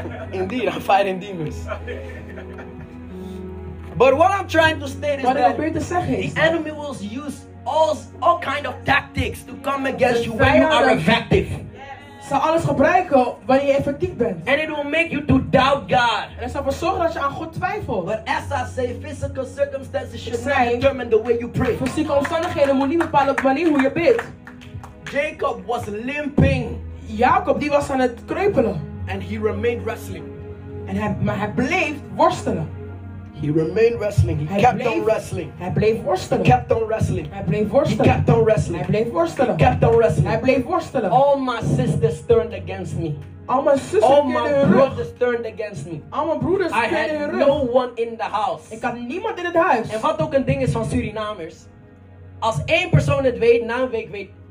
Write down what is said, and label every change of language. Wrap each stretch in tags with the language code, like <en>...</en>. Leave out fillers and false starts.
<en>Indeed, I'm fighting demons. But what I'm trying to state is</en> <nl>wat</nl> <en>that</en> <nl>te zeggen,</nl> <en>the enemy will use all kind of tactics to come against you when you are effective.</en> <nl>Zal alles gebruiken wanneer je effectief bent.</nl> <en>And it will make you to doubt God.</en> <nl>En het zal ervoor zorgen dat je aan God twijfelt.</nl> <en>But as I say, physical circumstances should not determine the way you pray.</en> <nl>Fysieke omstandigheden moet niet bepalen op de manier hoe je bidt.</nl> <en>Jacob was limping.</en> <nl>Jacob die was aan het kreupelen.</nl> <en>And he remained wrestling.</en> <nl>En hij bleef worstelen.</nl> <en>He remained wrestling. He kept on wrestling.</en> <nl>Hij bleef worstelen.</nl> <en>He kept on wrestling.</en> <nl>Hij bleef worstelen.</nl> <en>He kept on wrestling.</en> <nl>Hij bleef worstelen.</nl> <en>He kept on wrestling.</en> <nl>Hij bleef worstelen.</nl> <en>All my sisters turned against me. All my sisters turned against me. All my brothers turned against me. I had no one in the house.</en> <nl>Ik had niemand in het huis. En wat ook een ding is van Surinamers. Als één persoon het weet, na een week weet.</nl>